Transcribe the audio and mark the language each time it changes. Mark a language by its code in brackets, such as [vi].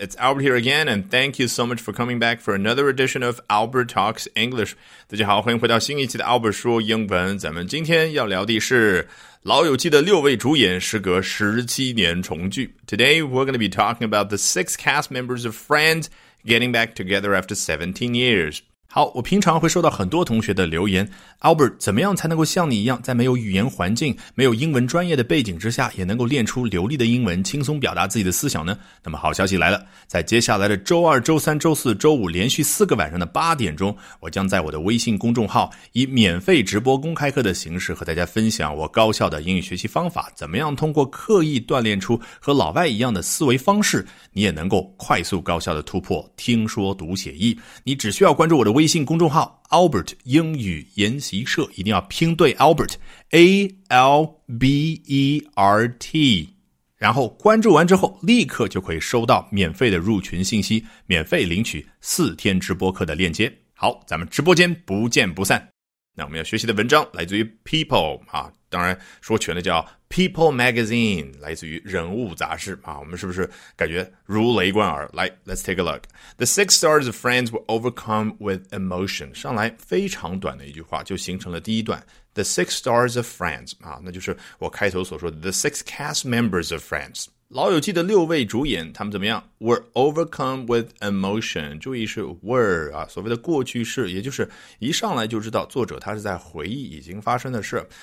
[en] It's Albert here again, and thank you so much for coming back for another edition of Albert Talks English. [zh] 大家好，欢迎回到新一期的 Albert 说英文。咱们今天要聊的是《老友记》的六位主演时隔17年重聚。 [en] Today, we're going to be talking about the six cast members of Friends getting back together after 17 years. [zh] 好，我平常会收到很多同学的留言 ，Albert， 怎么样才能够像你一样，在没有语言环境、没有英文专业的背景之下，也能够练出流利的英文，轻松表达自己的思想呢？那么好消息来了，在接下来的周二、周三、周四、周五连续四个晚上的八点钟，我将在我的微信公众号以免费直播公开课的形式和大家分享我高效的英语学习方法，怎么样通过刻意锻炼出和老外一样的思维方式，你也能够快速高效的突破听说读写译。你只需要关注我的微信公众号 Albert 英语研习社，一定要拼对 Albert A-L-B-E-R-T， 然后关注完之后立刻就可以收到免费的入群信息，免费领取四天直播课的链接。好，咱们直播间不见不散。那我们要学习的文章来自于 People、当然说全了叫 People Magazine， 来自于人物杂志、我们是不是感觉如雷贯耳？来 [en] ，Let's take a look. The six stars of Friends were overcome with emotion. [zh] 上来非常短的一句话就形成了第一段 [en] The six stars of Friends、 [zh] 那就是我开头所说的 [en] The six cast members of Friends。 [zh] 老友记的六位主演他们怎么样 [en] were overcome with emotion， [zh] 注意是 were、所谓的过去式，也就是一上来就知道作者他是在回忆已经发生的事。